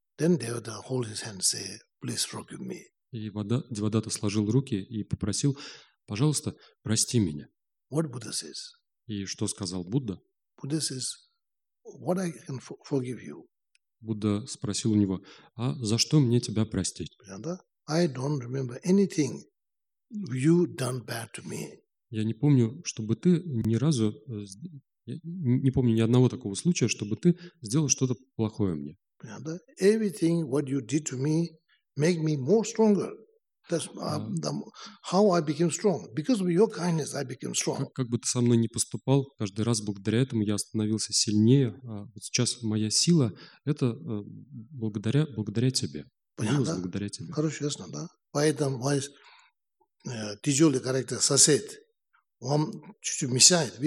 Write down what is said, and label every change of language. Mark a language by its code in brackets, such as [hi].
[en] Then Devadatta hold his hand and say, please forgive me. [ru] И Девадатта сложил руки и попросил, пожалуйста, прости меня. [en] What Buddha says? [ru] И что сказал Будда? [en] Buddha says, what I can forgive you. [ru] Будда спросил у него, а за что мне тебя простить? [en] I don't remember anything you done bad to me. [ru] Я не помню, чтобы ты ни разу, я не помню ни одного такого случая, чтобы ты сделал что-то плохое мне. [en] Everything what you did to me make me more stronger. That's how I became strong. Because of your kindness, I became strong. [ru] Как бы ты со мной ни поступал, каждый раз благодаря этому я становился сильнее. А вот сейчас моя сила – это благодаря тебе. Понятно? Благодаря тебе. Хорошо, ясно, да? Поэтому тяжелый характер сосед вам чуть-чуть мешает.